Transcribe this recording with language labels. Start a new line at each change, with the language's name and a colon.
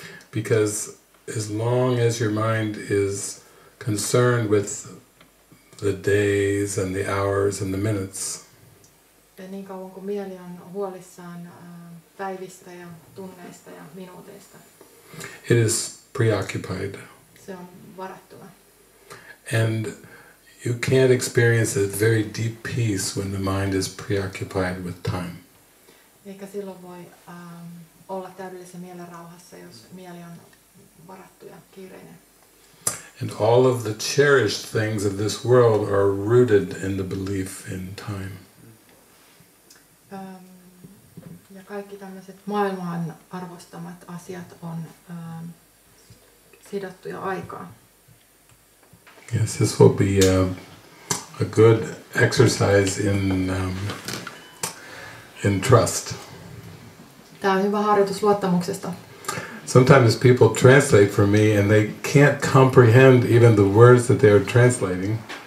English: Because as long as your mind is concerned with the days and the hours and the minutes.
Finnish: Ja niin kauan kuin mieli on huolissaan päivistä ja tunneista ja minuuteista.
English: It is preoccupied.
Finnish: Se on varattuna.
English: And you can't experience a very deep peace when the mind is preoccupied with time.
Finnish: Eikä silloin voi olla täydellisessä mielenrauhassa, jos mieli on varattu ja kiireinen.
English: And all of the cherished things of this world are rooted in the belief in time.
Finnish: Ja kaikki tämmöiset maailman arvostamat asiat on sidottuja aikaan.
English: Yes, this will be a good exercise in trust.
Finnish: Tämä on hyvä harjoitus luottamuksesta.
English: Sometimes people translate for me and they can't comprehend even the words that they are translating.